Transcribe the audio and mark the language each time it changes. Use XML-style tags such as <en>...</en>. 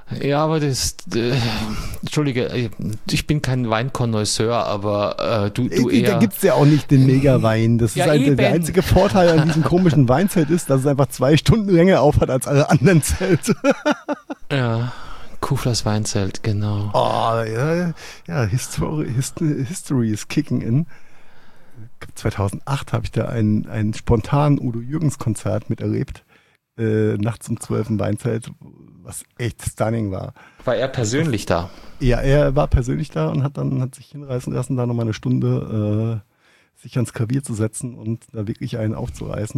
<de>Ja, aber das, entschuldige, ich bin kein Weinkonnoisseur, aber du eher. Da gibt es ja auch nicht den Megawein. Das ist der einzige Vorteil an diesem komischen Weinzelt ist, dass es einfach 2 Stunden länger auf hat als alle anderen Zelte. Ja, Kuflers Weinzelt, genau.</de> <en>Oh, ja, History is kicking in.</en> <de>2008 habe ich da ein spontanes Udo Jürgens Konzert miterlebt. Nachts um 12 im Weinzelt, was echt stunning war. War er persönlich da? Ja, er war persönlich da und hat sich hinreißen lassen, da nochmal eine Stunde sich ans Klavier zu setzen und da wirklich einen aufzureißen.</de>